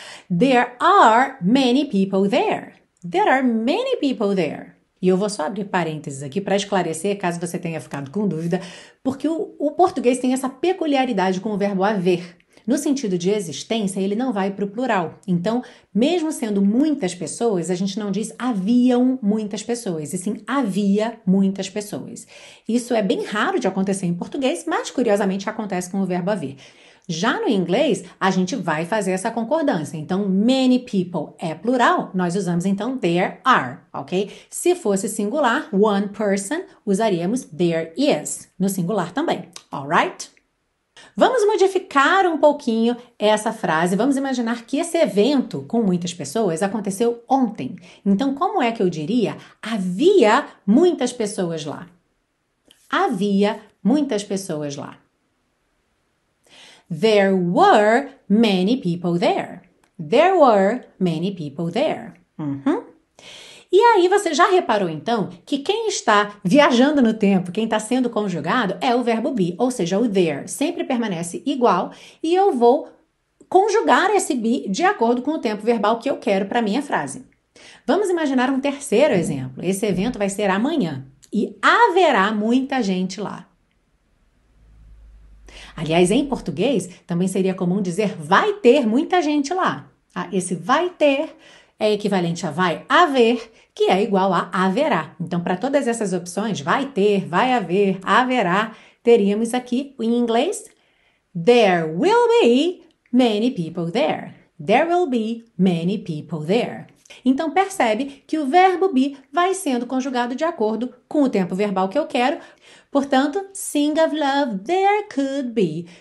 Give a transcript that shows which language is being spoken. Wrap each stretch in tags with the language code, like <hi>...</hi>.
<en>There are many people there. There are many people there.</en> <pt>E eu vou só abrir parênteses aqui para esclarecer, caso você tenha ficado com dúvida, porque o português tem essa peculiaridade com o verbo haver. No sentido de existência, ele não vai para o plural. Então, mesmo sendo muitas pessoas, a gente não diz haviam muitas pessoas, e sim havia muitas pessoas. Isso é bem raro de acontecer em português, mas curiosamente acontece com o verbo haver. Já no inglês, a gente vai fazer essa concordância. Então, many people é plural, nós usamos então there are, ok? Se fosse singular, one person, usaríamos there is, no singular também, all right? Vamos modificar um pouquinho essa frase. Vamos imaginar que esse evento com muitas pessoas aconteceu ontem. Então, como é que eu diria? Havia muitas pessoas lá. Havia muitas pessoas lá.</pt> <en>There were many people there. There were many people there. Uhum.</en> <pt>E aí você já reparou então que quem está viajando no tempo, quem está sendo conjugado, é o verbo be, ou seja, o there sempre permanece igual e eu vou conjugar esse be de acordo com o tempo verbal que eu quero para a minha frase. Vamos imaginar um terceiro exemplo. Esse evento vai ser amanhã e haverá muita gente lá. Aliás, em português também seria comum dizer vai ter muita gente lá. Ah, esse vai ter é equivalente a vai haver, que é igual a haverá. Então, para todas essas opções, vai ter, vai haver, haverá, teríamos aqui em inglês:</pt> <en>There will be many people there. There will be many people there.</en> <pt>Então, percebe que o verbo be vai sendo conjugado de acordo com o tempo verbal que eu quero.</pt> <en>Portanto, sing of love, there could be.</en>